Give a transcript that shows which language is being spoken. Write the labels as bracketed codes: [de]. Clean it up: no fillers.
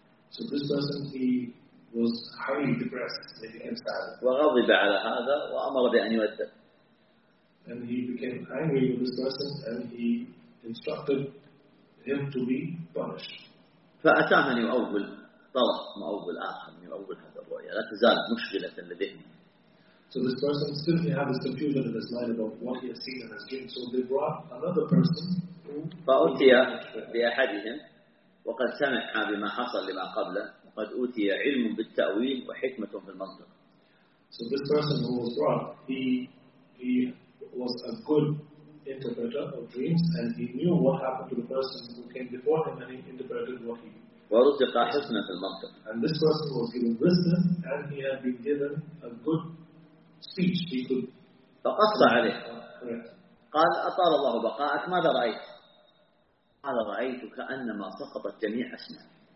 [en] So this person he was highly depressed, maybe anxiety. [ar] وغضب على هذا وأمر بأن يودع. [en] And he became angry with this person and he instructed him to be punished. [ar] فأتاه من يؤول طلب ما أول آخر من يؤول هذا الرؤيا لا تزال مشكلة لديه. [en] So this person still he had this confusion in his mind about what he has seen and has dreamed. So they brought another person. [ar] فأتي بأحدهم وقد سمع بما حصل لما قبله وقد أوتي علم بالتأويل وحكمة في المنطق. [en] So this person who was wrong, he was a good interpreter of dreams and he knew what happened to the person who came before him and he interpreted what he. [ar] ورزق حسنة في المنطق. [en] And this person was given wisdom and he had been given a good speech. He could. [ar] فقص عليه. قال أطال الله بقاءك ماذا رأيت؟ قال رأيت كأنما سقطت جميع أسنان.